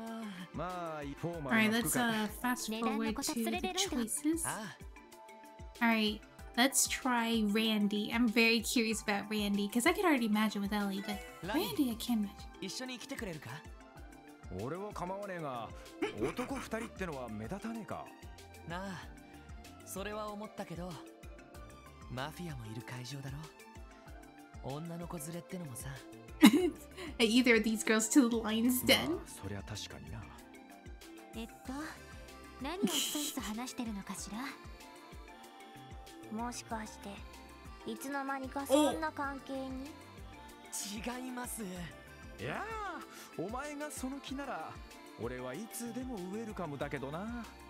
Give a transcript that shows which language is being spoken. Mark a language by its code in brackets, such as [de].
[en] Alright, let's fast forward to the choices. Alright, let's try Randy. I'm very curious about Randy because I could already imagine with Ellie, but Randy I can't imagine. [ja] 一緒に来てくれるか？俺は構わねえが、男二人ってのは目立たねえか？なあ、それは思ったけど、マフィアもいる会場だろ？女の子連れってのもさ。 [en] Either of these girls to the lion's den? [ja] そりゃ確かにな。何をひとひと話してるのかしら。もしかしていつの間にかそんな関係に。違います。いや、お前がその気なら俺はいつでもウェルカムだけどな。